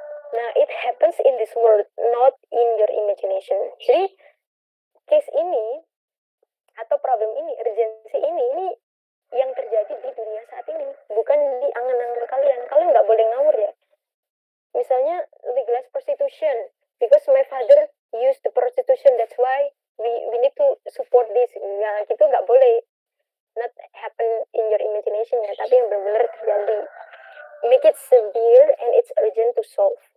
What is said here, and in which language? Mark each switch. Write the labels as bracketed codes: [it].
[en] Nah, it happens in this world, not in your imagination. [id] Jadi case ini atau problem ini, urgency ini yang terjadi di dunia saat ini, bukan di angan-angan kalian. Kalian nggak boleh ngawur ya. [en] Misalnya legalize prostitution because my father used the prostitution, that's why we need to support this. [id] Nah, gitu nggak boleh. [en] Not happen in your imagination [id] ya, tapi yang benar-benar terjadi. [en] Make it severe and it's urgent to solve.